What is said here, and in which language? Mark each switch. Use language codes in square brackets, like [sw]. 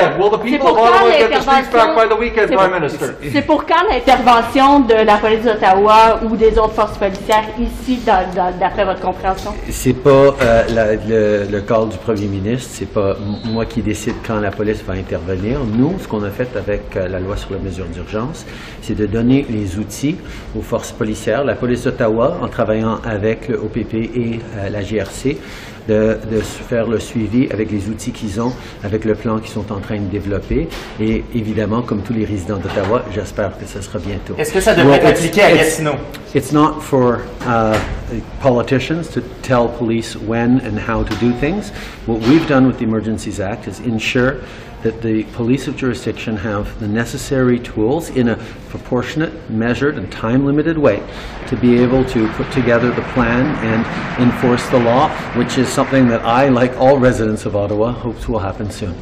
[en] Will the people of Ottawa get their streets back by the weekend, Prime Minister? [fr] C'est pour quand l'intervention de la police d'Ottawa ou des autres forces policières ici, d'après votre compréhension? C'est pas le call du premier ministre. C'est pas moi qui décide quand la police va intervenir. Nous, ce qu'on a fait avec la loi sur les mesures d'urgence, c'est de donner les outils aux forces policières, la police d'Ottawa, en travaillant avec le OPP et la GRC, de faire le suivi avec les outils qu'ils ont, avec le plan qu'ils sont en train de développer. Et évidemment, comme tous les résidents d'Ottawa, j'espère que ce sera bientôt. Est-ce que ça devrait être appliqué à Gatineau? [en] It's not for politicians to tell police when and how to do things. What we've done with the Emergencies Act is ensure that the police of jurisdiction have the necessary tools in a proportionate, measured, and time-limited way to be able to put together the plan and enforce the law, which is something that I, like all residents of Ottawa, hope will happen soon.